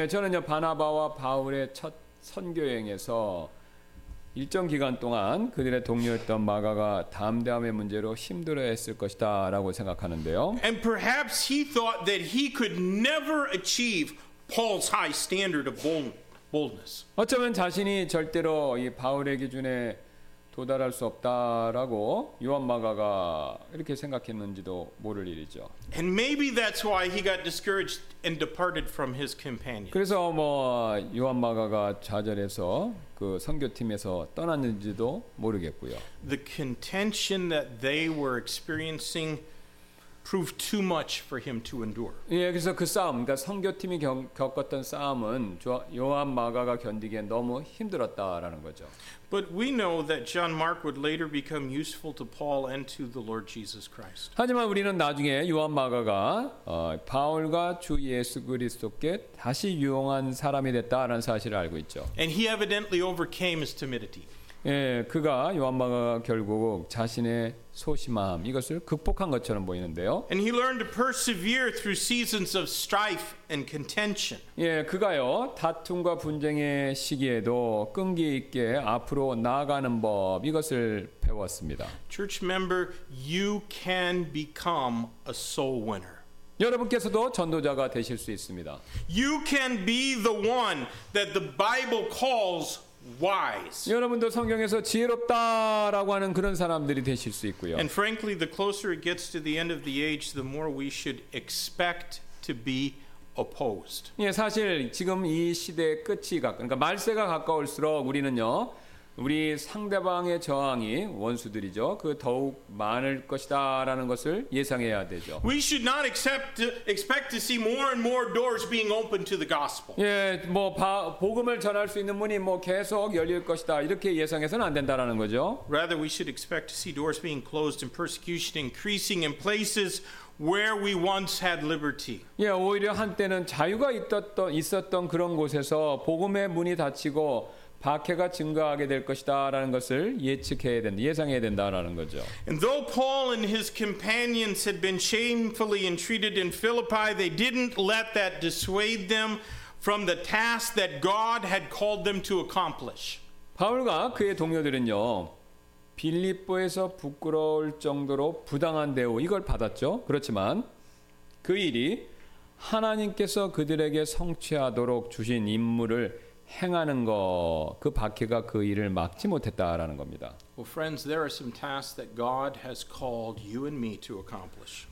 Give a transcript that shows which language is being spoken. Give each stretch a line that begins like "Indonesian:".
Korean: 예, 저는요 바나바와 바울의 첫 선교 여행에서 일정 기간 동안 그들의 동료였던 마가가 담대함의 문제로 힘들어했을 것이다라고 생각하는데요.
English: And perhaps he thought that he could never achieve Paul's high standard of boldness.
Korean: 어쩌면 자신이 절대로 이 바울의 기준에 도달할 수 없다라고 요한 마가가 이렇게 생각했는지도 모를 일이죠.
English: And maybe that's why he got discouraged and departed from his companions.
Korean: 그래서 뭐 요한 마가가 좌절해서 그 선교팀에서 떠났는지도 모르겠고요.
English: The contention that they were experiencing proved too much for him to endure.
Korean: 예, 그래서 그 싸움, 그러니까 선교팀이 겪었던 싸움은 요한 마가가 견디기에 너무 힘들었다라는 거죠.
English: But we know that John Mark would later become useful to Paul and to the Lord Jesus Christ.
Korean: 하지만 우리는 나중에 요한 마가가 바울과 주 예수 그리스도께 다시 유용한 사람이 됐다라는 사실을 알고 있죠.
English: And he evidently overcame his timidity.
Korean: 예, 그가 요한 마가가 결국 자신의 소심함 이것을 극복한 것처럼 보이는데요.
English: And he learned to persevere through seasons of strife and contention.
Korean: 예, 그가요 다툼과 분쟁의 시기에도 끈기 있게 앞으로 나아가는 법 이것을 배웠습니다.
English: Church member, you can become a soul winner.
Korean: 여러분께서도 전도자가 되실 수 있습니다.
English: You can be the one that the Bible calls wise.
Korean: 여러분도 성경에서 지혜롭다라고 하는 그런 사람들이 되실 수 있고요.
English: And frankly, the closer it gets to the end of the age, the more we should expect to be opposed.
Korean: 예, 사실 지금 이 시대의 끝이 그러니까 말세가 가까울수록 우리는요, 우리 상대방의 저항이 원수들이죠. 그 더욱 많을 것이다라는 것을 예상해야 되죠.
English: We should not expect to see more and more doors being open to the gospel.
Korean: 예, 뭐 복음을 전할 수 있는 문이 뭐 계속 열릴 것이다. 이렇게 예상해서는 안 된다라는 거죠.
English: Rather we should expect to see doors being closed and persecution increasing in places where we once had liberty.
Korean: 예, 오히려 한때는 자유가 있었던 그런 곳에서 복음의 문이 닫히고 박해가 증가하게 될 것이다라는 것을 예측해야 된다. 예상해야 된다라는 거죠.
English: And though Paul and his companions had been shamefully entreated in Philippi, they didn't let that dissuade them from the task that God had called them to accomplish.
Korean: 바울과 그의 동료들은요. 빌립보에서 부끄러울 정도로 부당한 대우 이걸 받았죠. 그렇지만 그 일이 하나님께서 그들에게 성취하도록 주신 임무를 행하는 거 그 박해가 그 일을 막지 못했다라는 겁니다.
English: Well, friends, there are some tasks that God has called you and me to accomplish.